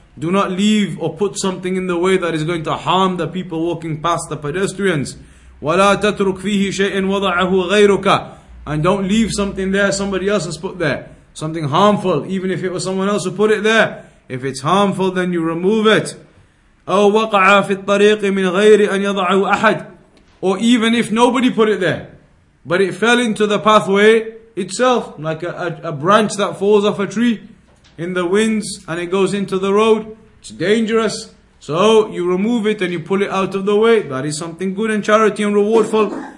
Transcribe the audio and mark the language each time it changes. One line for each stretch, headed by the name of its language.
English: Do not leave or put something in the way that is going to harm the people walking past the pedestrians.
Arabic: وَلَا تَتْرُكْ فِيهِ شَيْئًا وَضَعَهُ غَيْرُكَ.
English: And don't leave something there somebody else has put there. Something harmful, even if it was someone else who put it there. If it's harmful, then you remove it.
Arabic: أَوْ وَقَعَ فِي الطَّرِيقِ مِنْ غَيْرِ أَنْ يَضَعَهُ أَحَدٍ.
English: Or even if nobody put it there, but it fell into the pathway itself, like a branch that falls off a tree in the winds and it goes into the road, it's dangerous. So you remove it and you pull it out of the way. That is something good and charity and rewardful.